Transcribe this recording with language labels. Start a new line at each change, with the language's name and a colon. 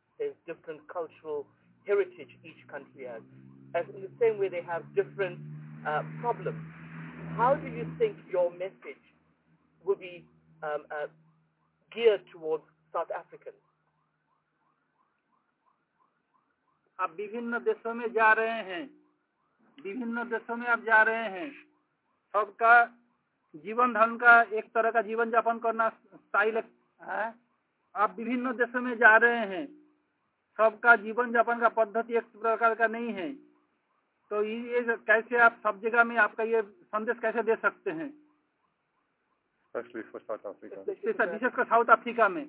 English: There's different cultural heritage each country has. As in the same way, they have different problems. How do you think your message will be geared towards South Africans?
Hindi: आप विभिन्न देशों में जा रहे हैं, विभिन्न देशों में आप जा रहे हैं, सबका जीवन ढंग का एक तरह का जीवन यापन करना स्टाइल है। आप विभिन्न देशों में जा रहे हैं, सबका जीवन यापन का पद्धति एक प्रकार का नहीं है, तो ये कैसे आप सब जगह में आपका ये संदेश कैसे दे सकते हैं?
English: Especially for South Africa. This is for South Africa.